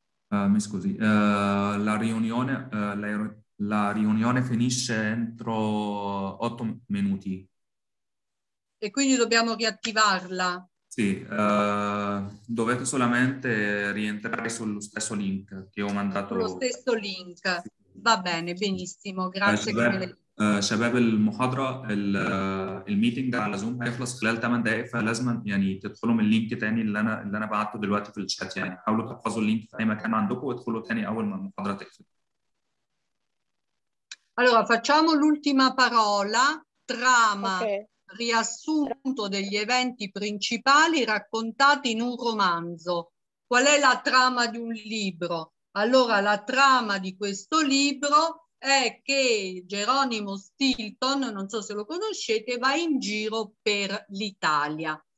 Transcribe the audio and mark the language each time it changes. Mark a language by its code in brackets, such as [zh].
[it] Mi scusi, la riunione finisce entro 8 minuti. E quindi dobbiamo riattivarla? Sì, dovete solamente rientrare sullo stesso link che ho mandato. Sullo stesso link, sì. Va bene, benissimo, grazie. [ar] شباب المحاضرة الميتنج على زوم هيخلص خلال 8 دقائق فلازم يعني تدخلوا من اللينك تاني اللي انا بعته دلوقتي في الشات يعني حاولوا تحفظوا اللينك في اي مكان عندكم وادخلوا تاني اول ما المحاضرة تقفل. [it] Allora facciamo l'ultima parola trama riassunto degli eventi principali raccontati in un romanzo. Qual è la trama di un libro? Allora la trama di questo libro è che Geronimo Stilton, non so se lo conoscete, va in giro per l'Italia.